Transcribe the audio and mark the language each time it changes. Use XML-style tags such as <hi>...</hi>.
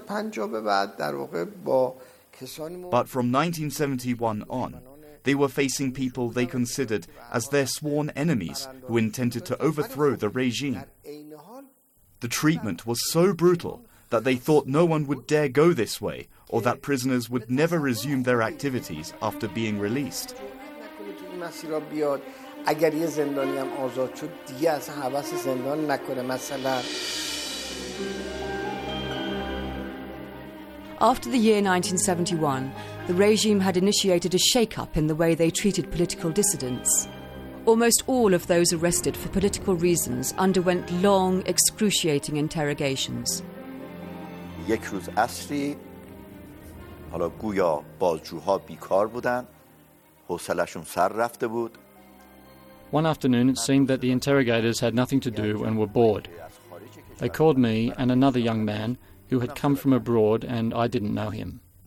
<en>But from 1971 on, they were facing people they considered as their sworn enemies who intended to overthrow the regime. The treatment was so brutal that they thought no one would dare go this way or that prisoners would never resume their activities after being released.</en> <fa>مسیرا بیاد اگر یه زندانی هم آزاد شد دیگه از حواس زندان نکنه مثلا.</fa> <en>After the year 1971, the regime had initiated a shake-up in the way they treated political dissidents. Almost all of those arrested for political reasons underwent long, excruciating interrogations.</en> <fa>یک روز عصری حالا گویا بازجوها بیکار بودن.</fa> <en>One afternoon, it seemed that the interrogators had nothing to do and were bored. They called me and another young man who had come from abroad and I didn't know him.</en>